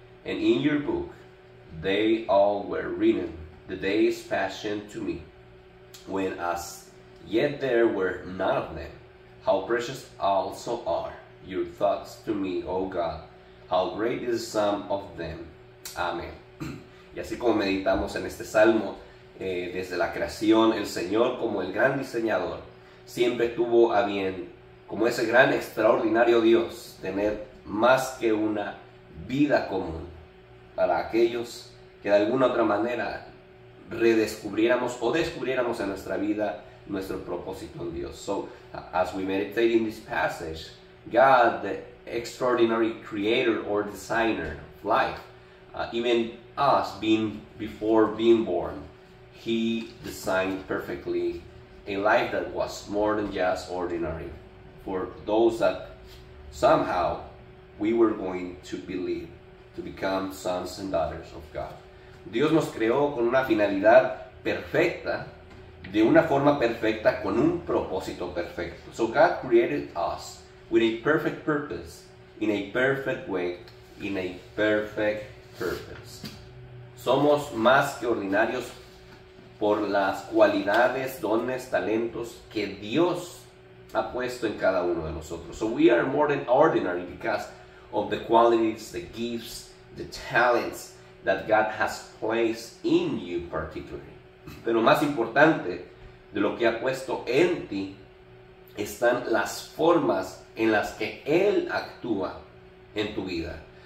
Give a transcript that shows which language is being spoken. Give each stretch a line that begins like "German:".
English: And in your book, they all were written, the days fashioned to me, when as yet there were none of them. How precious also are your thoughts to me, O God. How great is the sum of them. Amén.
Spanish: Y así como meditamos en este salmo, desde la creación, el Señor, como el gran diseñador, siempre tuvo a bien, como ese gran extraordinario Dios, tener más que una vida común para aquellos que de alguna u otra manera redescubriéramos o descubriéramos en nuestra vida nuestro propósito en Dios.
English: So, as we meditate in this passage, God, the extraordinary creator or designer of life, even us, before being born, he designed perfectly a life that was more than just ordinary for those that somehow we were going to believe to become sons and daughters of God.
Spanish: Dios nos creó con una finalidad perfecta, de una forma perfecta, con un propósito perfecto.
English: So God created us with a perfect purpose, in a perfect way, in a perfect purpose.
Spanish: Somos más que ordinarios por las cualidades, dones, talentos que Dios ha puesto en cada uno de nosotros.
English: So we are more than ordinary because of the qualities, the gifts, the talents that God has placed in you particularly.
Spanish: Pero más importante de lo que ha puesto en ti están las formas en las que Él actúa en tu vida.